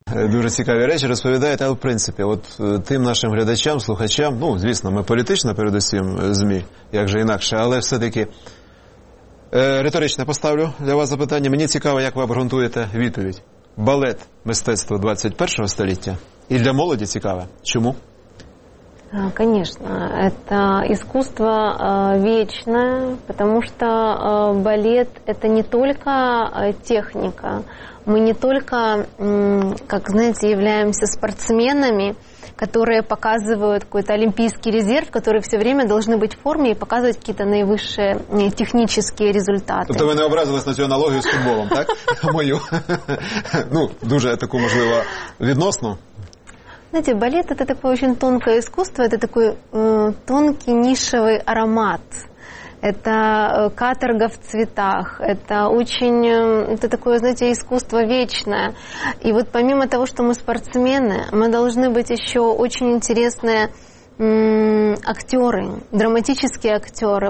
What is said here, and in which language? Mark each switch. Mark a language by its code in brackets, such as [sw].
[uk] Дуже цікаві речі розповідаєте, але в принципі, от тим нашим глядачам, слухачам, ну, звісно, ми політично передусім ЗМІ, як же інакше, але все-таки риторично поставлю для вас запитання. Мені цікаво, як ви обґрунтуєте відповідь. Балет – мистецтво 21 століття. І для молоді цікаве. Чому? [ru] Конечно, это искусство вечное, потому что балет – это не только техника. Мы не только, как знаете, являемся спортсменами, которые показывают какой-то олимпийский резерв, которые все время должны быть в форме и показывать какие-то наивысшие технические результаты. То-то вы не образились на эту аналогию с футболом, так? [uk] Мою. Ну, дуже таку, можливо, відносну. [ru] Знаете, балет – это такое очень тонкое искусство, это такой тонкий нишевый аромат. Это каторга в цветах, это очень, это такое, знаете, искусство вечное. И вот помимо того, что мы спортсмены, мы должны быть еще очень интересные актеры, драматические актеры.